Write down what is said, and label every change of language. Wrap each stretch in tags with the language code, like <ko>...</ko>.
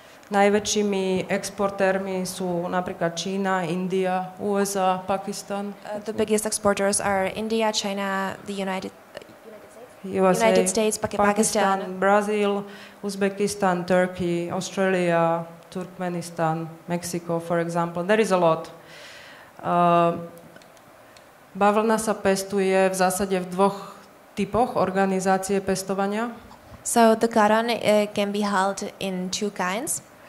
<sk>Najväčšími exportérmi sú napríklad Čína, India, USA, Pakistan.</sk> <en>The biggest exporters are India, China, the United States, Pakistan, Brazil, Uzbekistan, Turkey, Australia, Turkmenistan, Mexico, for example. There is a lot.</en> <sk>Bavlna sa pestuje v zásade v dvoch typoch organizácie pestovania.</sk> <en>So the cotton can be held in two kinds.</en>